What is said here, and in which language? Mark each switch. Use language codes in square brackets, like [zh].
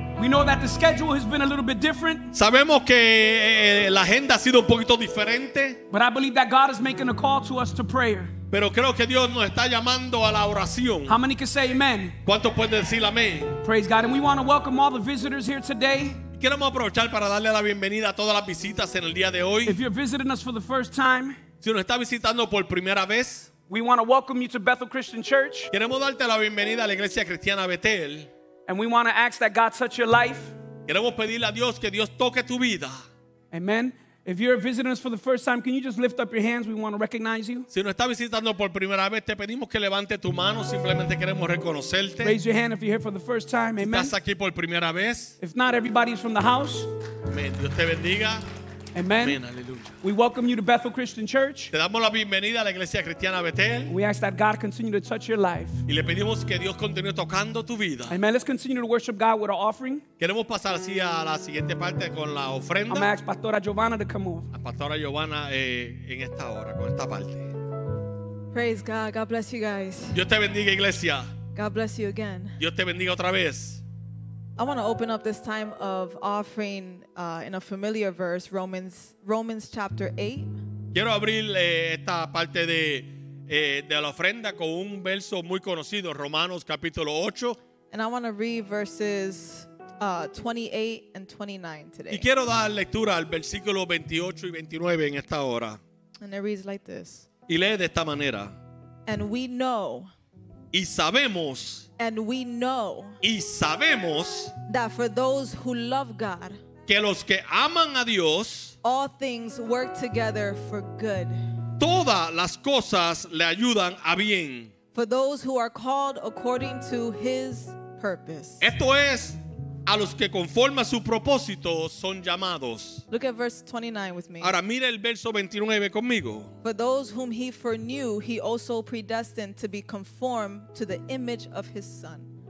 [en] We know that the schedule has been a little bit different. [es] Sabemos que la agenda ha sido un poquito diferente. [en] But I believe that God is making a call to us to prayer. [es] Pero creo que Dios nos está llamando a la oración. [en] How many can say amen? [es] ¿Cuántos pueden decir amén? [en] Praise God, and we want to welcome all the visitors here today. [es] Queremos aprovechar para darle la bienvenida a todas las visitas en el día de hoy. [en] If you're visiting us for the first time, [es] si nos está visitando por primera vez, [en] we want to welcome you to Bethel Christian Church. [es] Queremos darte la bienvenida a la Iglesia Cristiana Bethel. [en] And we want to ask that God touch your life. [es] Queremos pedirle a Dios que Dios toque tu vida. [en] Amen. If you're visiting us for the first time, can you just lift up your hands? We want to recognize you. [es] Si nos está visitando por primera vez, te pedimos que levante tu mano. Simplemente queremos reconocerte. [en] Raise your hand if you're here for the first time. Amen. [es] Si estás aquí por primera vez. [en] If not, everybody's from the house. [es] Amen. Dios te bendiga. Amen. Amen. Aleluya. [en] We welcome you to Bethel Christian Church. [es] Te damos la bienvenida a la Iglesia Cristiana Bethel. [en] We ask that God continue to touch your life. [es] Y le pedimos que Dios continúe tocando tu vida. Amen. [en] Let's continue to worship God with our offering. [es] Queremos pasar así a la siguiente parte con la ofrenda. [en] I'm going to ask Pastora Giovanna to come over. [es] A Pastora Giovanna en esta hora, con esta parte. [en] Praise God. God bless you guys. [es] Dios te bendiga, Iglesia. [en] God bless you again. [es] Dios te bendiga otra vez. [en] I want to open up this time of offering in a familiar verse, Romans chapter 8. [es] Quiero abrir esta parte de la ofrenda con un verso muy conocido, Romanos capítulo 8. [en] And I want to read verses 28 and 29 today. [es] Y quiero dar lectura al versículo 28 y 29 en esta hora. [en] And it reads like this. [es] Y lee de esta manera. [en] And we know. [es] Y sabemos. [en] And we know. [es] Y sabemos. [en] That for those who love God. [es] Que los que aman a Dios. [en] All things work together for good. [es] Todas las cosas le ayudan a bien. [en] For those who are called according to his purpose. [es] Esto es, a los que conforme a su propósito son llamados. [en] Look at verse 29 with me. [es] Ahora mira el verso 29 conmigo. [en] For those whom he foreknew, he also predestined to be conformed to the image of his son.